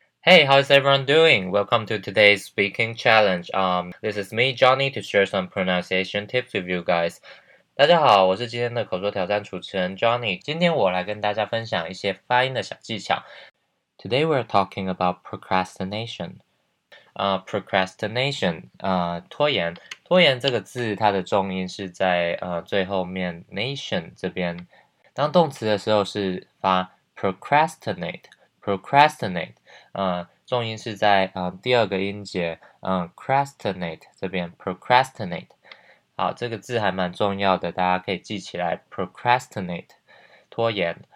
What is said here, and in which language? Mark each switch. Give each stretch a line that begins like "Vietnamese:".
English: Hey, how's everyone doing? Welcome to today's speaking challenge. This is me, Johnny, to share some pronunciation tips with you guys.
Chinese: 大家好，我是今天的口说挑战主持人 Johnny。今天我来跟大家分享一些发音的小技巧。
English: Today we're talking about procrastination.
Chinese: Procrastination, 拖延。拖延这个字它的重音是在最后面 nation 这边。当动词的时候是发 procrastinate。 Procrastinate, 重音是在第二个音节crastinate 这边 procrastinate 好，这个字还蛮重要的，大家可以记起来 procrastinate 拖延。